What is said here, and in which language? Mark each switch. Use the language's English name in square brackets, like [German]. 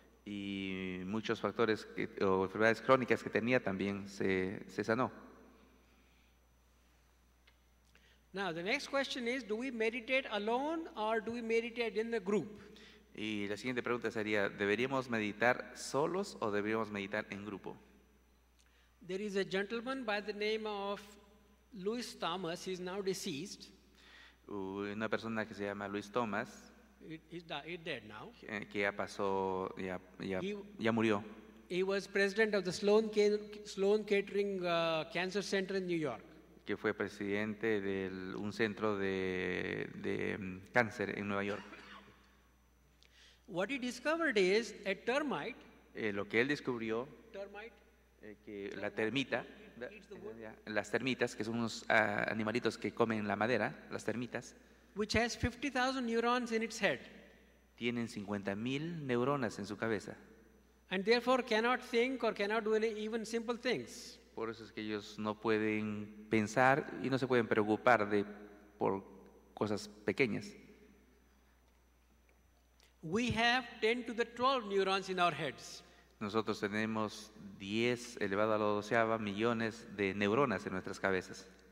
[Spanish] Y muchos factores o enfermedades crónicas que tenía también se sanó. [English] Now the next question is, do we meditate alone or do we meditate in the group? [Spanish] Y la siguiente pregunta sería, ¿deberíamos meditar solos o deberíamos meditar en grupo? [English] There is a gentleman by the name of Louis Thomas. He's now deceased. [Spanish] Una persona que se llama Louis Thomas. [English] He's dead now. [Spanish] Que ya pasó, ya murió. [English] He was president of the Sloan Kettering Cancer Center in New York. [Spanish] Que fue presidente de un centro de cáncer en Nueva York. [English] What he discovered is a termite. [Spanish] Lo que él descubrió. [English] Termite. [Spanish] Que la termita, las termitas, que son unos animalitos que comen la madera, las termitas, [English] which has 50,000 neurons in its head, [Spanish] tienen 50,000 neuronas en su cabeza, [English] and therefore cannot think or cannot do even simple things. [Spanish] Por eso es que ellos no pueden pensar y no se pueden preocupar por cosas pequeñas. [English] We have 10 to the 12 neurons in our heads. [Spanish] Nosotros tenemos 10 elevado a la 12ª millones de neuronas en nuestras cabezas.